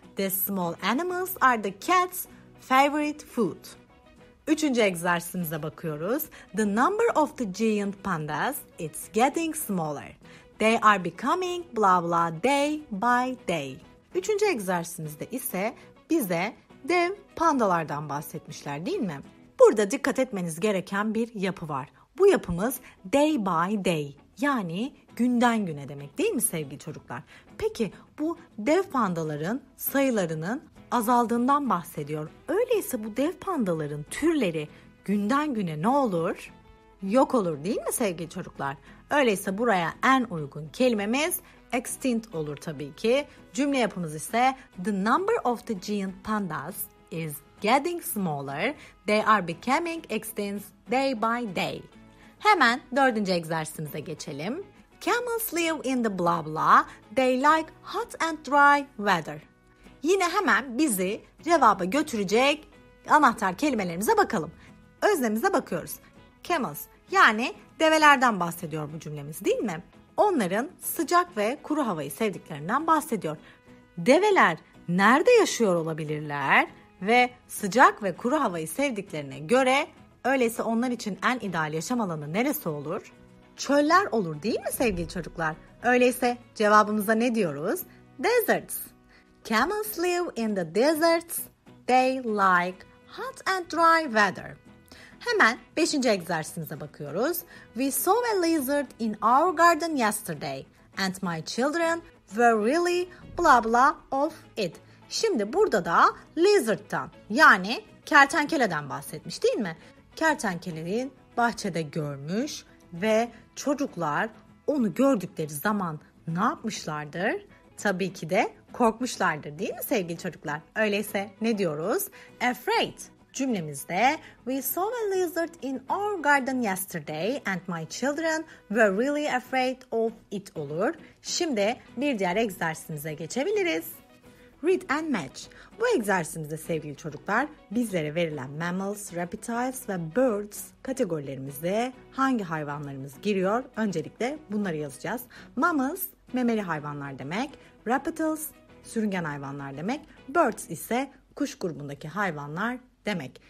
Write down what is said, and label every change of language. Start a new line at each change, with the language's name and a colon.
English: The small animals are the cat's favorite food.
Turkish: Üçüncü egzersizimize bakıyoruz.
English: The number of the giant pandas it's getting smaller. They are becoming blah blah day by day.
Turkish: Üçüncü egzersizimizde ise bize dev pandalardan bahsetmişler değil mi? Burada dikkat etmeniz gereken bir yapı var. Bu yapımız day by day, yani günden güne demek değil mi sevgili çocuklar? Peki bu dev pandaların sayılarının azaldığından bahsediyor. Öyleyse bu dev pandaların türleri günden güne ne olur? Yok olur değil mi sevgili çocuklar? Öyleyse buraya en uygun kelimemiz extinct olur tabii ki. Cümle yapımız ise
English: the number of the giant pandas is getting smaller, they are becoming extinct day by day.
Turkish: Hemen dördüncü egzersizimize geçelim.
English: Camels live in the blah blah, they like hot and dry weather.
Turkish: Yine hemen bizi cevaba götürecek anahtar kelimelerimize bakalım. Öznemize bakıyoruz. Camels, yani develerden bahsediyor bu cümlemiz değil mi? Onların sıcak ve kuru havayı sevdiklerinden bahsediyor. Develer nerede yaşıyor olabilirler? Ve sıcak ve kuru havayı sevdiklerine göre öyleyse onlar için en ideal yaşam alanı neresi olur? Çöller olur değil mi sevgili çocuklar? Öyleyse cevabımıza ne diyoruz? Deserts.
English: Camels live in the deserts. They like hot and dry weather.
Turkish: Hemen 5. egzersizimize bakıyoruz.
English: We saw a lizard in our garden yesterday and my children were really blah blah of it.
Turkish: Şimdi burada da lizard'tan yani kertenkeleden bahsetmiş değil mi? Kertenkelenin bahçede görmüş ve çocuklar onu gördükleri zaman ne yapmışlardır? Tabii ki de korkmuşlardır değil mi sevgili çocuklar? Öyleyse ne diyoruz? Afraid. Cümlemizde
English: we saw a lizard in our garden yesterday and my children were really afraid of it
Turkish: olur. Şimdi bir diğer egzersizimize geçebiliriz.
English: Read and match.
Turkish: Bu egzersizimizde sevgili çocuklar bizlere verilen mammals, reptiles ve birds kategorilerimizde hangi hayvanlarımız giriyor? Öncelikle bunları yazacağız. Mammals memeli hayvanlar demek, reptiles sürüngen hayvanlar demek, birds ise kuş grubundaki hayvanlar demek.